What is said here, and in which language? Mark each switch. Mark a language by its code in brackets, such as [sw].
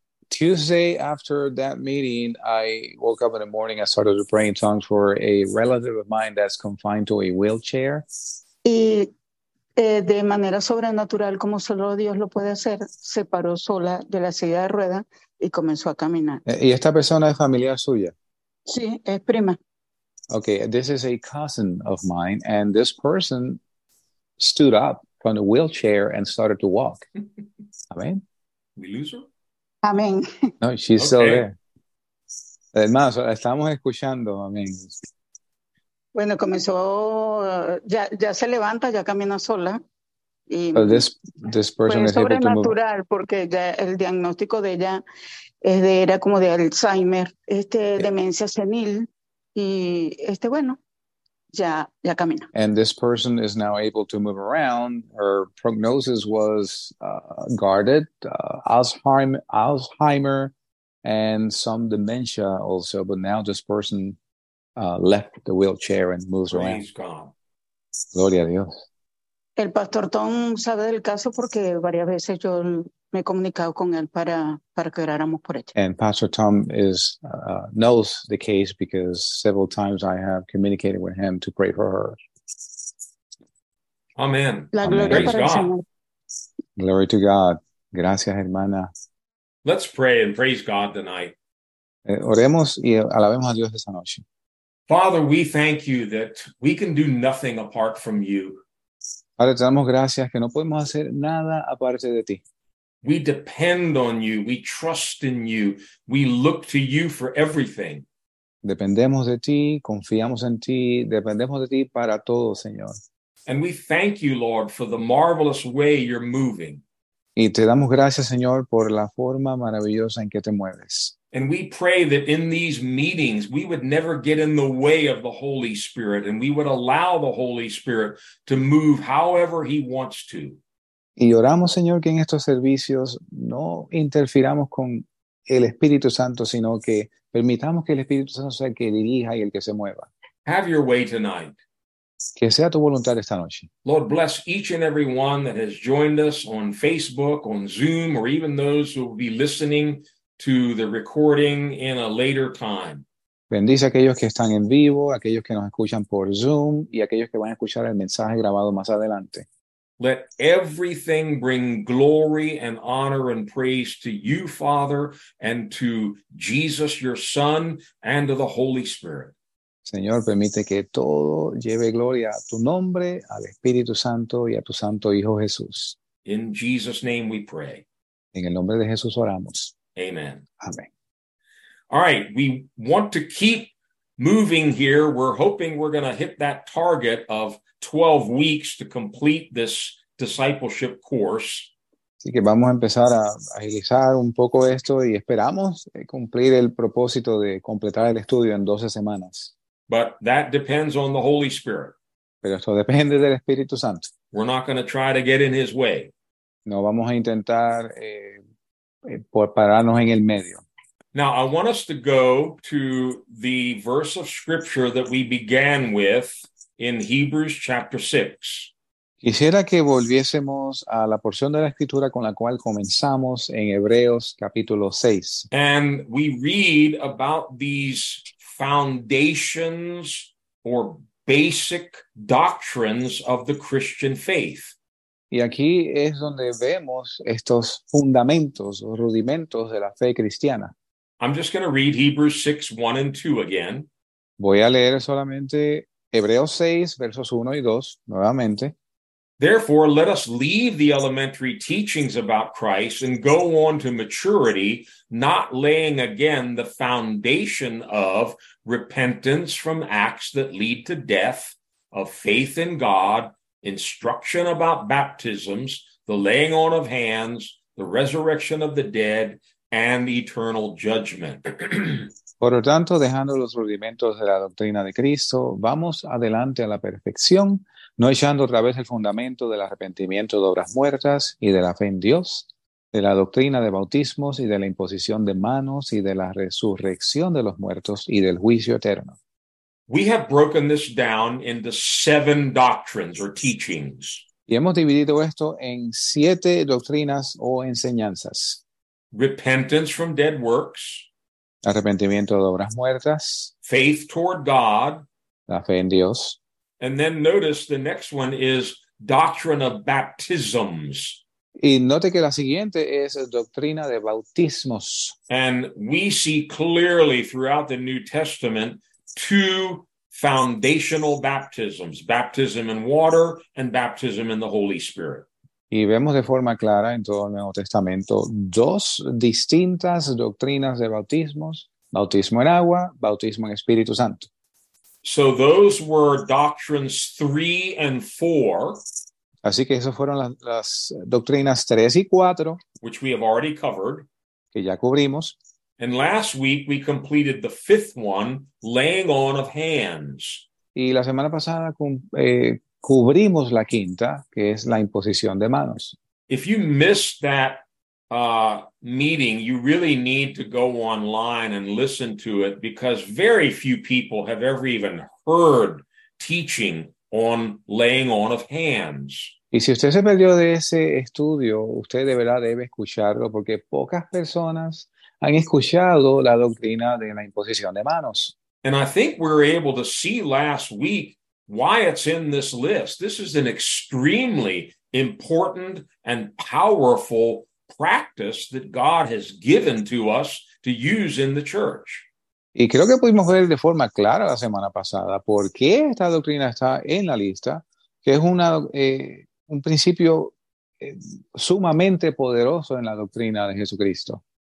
[en] Tuesday after that meeting, I woke up in the morning and started to pray in tongues for a relative of mine that's confined to a wheelchair. [es] Y de manera sobrenatural, como solo Dios lo puede hacer, se paró sola de la silla de ruedas y comenzó a caminar. ¿Y esta persona es familiar suya? Sí, es prima. [en] Okay, this is a cousin of mine, and this person stood up from the wheelchair and started to walk. Amen. We lose her? [es] Amén. [en] No, she's okay. Still there. [es] Además, estamos escuchando, amén. Bueno, comenzó, ya se levanta, ya camina sola. Y [en] this person [es] fue sobrenatural porque ya el diagnóstico de ella era como de Alzheimer, yeah. Demencia senil, y bueno, ya camina. [en] And this person is now able to move around. Her prognosis was guarded, Alzheimer, and some dementia also, but now this person left the wheelchair and moves Praise around. God. [es] Gloria a Dios. El pastor Tom sabe del caso porque varias veces yo me he comunicado con él para que oráramos por ella. [en] And Pastor Tom knows the case because several times I have communicated with him to pray for her. Amen. [es] La gloria [en] Praise [es] para God. El Señor. [en] Glory to God. [es] Gracias, hermana. [en] Let's pray and praise God tonight. [es] Oremos y alabemos a Dios esta noche. [en] Father, we thank you that we can do nothing apart from you. [es] Padre, te damos gracias que no podemos hacer nada aparte de ti. [en] We depend on you. We trust in you. We look to you for everything. [es] Dependemos de ti, confiamos en ti, dependemos de ti para todo, Señor. [en] And we thank you, Lord, for the marvelous way you're moving. [es] Y te damos gracias, Señor, por la forma maravillosa en que te mueves. [en] And we pray that in these meetings, we would never get in the way of the Holy Spirit, and we would allow the Holy Spirit to move however he wants to. [es] Y oramos, Señor, que en estos servicios no interfiramos con el Espíritu Santo, sino que permitamos que el Espíritu Santo sea el que dirija y el que se mueva. [en] Have your way tonight. [es] Que sea tu voluntad esta noche. [en] Lord, bless each and every one that has joined us on Facebook, on Zoom, or even those who will be listening to the recording in a later time. [es] Bendice a aquellos que están en vivo, aquellos que nos escuchan por Zoom, y aquellos que van a escuchar el mensaje grabado más adelante. [en] Let everything bring glory and honor and praise to you, Father, and to Jesus, your Son, and to the Holy Spirit. [es] Señor, permite que todo lleve gloria a tu nombre, al Espíritu Santo y a tu Santo Hijo Jesús. [en] In Jesus' name we pray. [es] En el nombre de Jesús oramos. [en] Amen. [es] Amén. [en] All right, we want to keep moving here. We're hoping we're going to hit that target of 12 weeks to complete this discipleship course. [es] Así que vamos a empezar a agilizar un poco esto y esperamos cumplir el propósito de completar el estudio en 12 semanas. [en] But that depends on the Holy Spirit. [es] Pero esto depende del Espíritu Santo. [en] We're not going to try to get in his way. [es] No vamos a intentar pararnos en el medio. [en] Now, I want us to go to the verse of Scripture that we began with in Hebrews chapter 6. [es] Quisiera que volviésemos a la porción de la Escritura con la cual comenzamos en Hebreos capítulo 6. [en] And we read about these foundations or basic doctrines of the Christian faith. [es] Y aquí es donde vemos estos fundamentos o rudimentos de la fe cristiana. [en] I'm just going to read Hebrews 6, 1 and 2 again. [es] Voy a leer solamente Hebreos 6, versos 1 y 2 nuevamente. [en] Therefore, let us leave the elementary teachings about Christ and go on to maturity, not laying again the foundation of repentance from acts that lead to death, of faith in God, instruction about baptisms, the laying on of hands, the resurrection of the dead, and the eternal judgment. [es] Por lo tanto, dejando los rudimentos de la doctrina de Cristo, vamos adelante a la perfección, no echando otra vez el fundamento del arrepentimiento de obras muertas y de la fe en Dios, de la doctrina de bautismos y de la imposición de manos y de la resurrección de los muertos y del juicio eterno. [en] We have broken this down into seven doctrines or teachings. [es] Y hemos dividido esto en siete doctrinas o enseñanzas. [en] Repentance from dead works. [es] Arrepentimiento de obras muertas. [en] Faith toward God. [es] La fe en Dios. [en] And then notice the next one is doctrine of baptisms. [es] Y note que la siguiente es doctrina de bautismos. [en] And we see clearly throughout the New Testament two foundational baptisms, baptism in water and baptism in the Holy Spirit. [es] Y vemos de forma clara en todo el Nuevo Testamento dos distintas doctrinas de bautismos, bautismo en agua, bautismo en Espíritu Santo. [en] So those were doctrines 3 and 4. [es] Así que esas fueron las doctrinas 3 y 4. [en] Which we have already covered. [es] Que ya cubrimos. [en] And last week we completed the fifth one, laying on of hands. [es] Y la semana pasada cubrimos la quinta, que es la imposición de manos. [en] If you missed that meeting, you really need to go online and listen to it, because very few people have ever even heard teaching on laying on of hands. [es] Y si usted se perdió de ese estudio, usted de verdad debe escucharlo, porque pocas personas han escuchado la doctrina de la imposición de manos. [en] And I think we were able to see last week why it's in this list. This is an extremely important and powerful practice that God has given to us to use in the church. [es] Y creo que pudimos ver de forma clara la semana pasada por qué esta doctrina está en la lista, que es un principio sumamente poderoso en la doctrina de Jesucristo.